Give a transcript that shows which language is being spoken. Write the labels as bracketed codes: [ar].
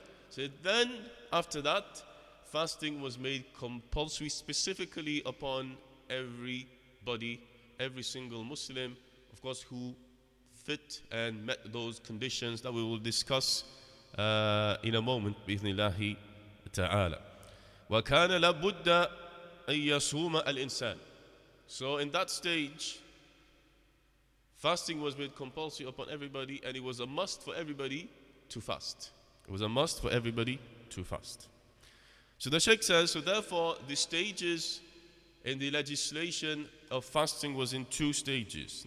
[en] So then after that, fasting was made compulsory specifically upon everybody, every single Muslim, of course, who fit and met those conditions that we will discuss in a moment, بإذن الله تعالى. [ar] وكان لابد أن يصوم الإنسان. [en] So in that stage, fasting was made compulsory upon everybody, and it was a must for everybody to fast. It was a must for everybody to fast. So the Sheikh says, so therefore, the stages in the legislation of fasting was in two stages.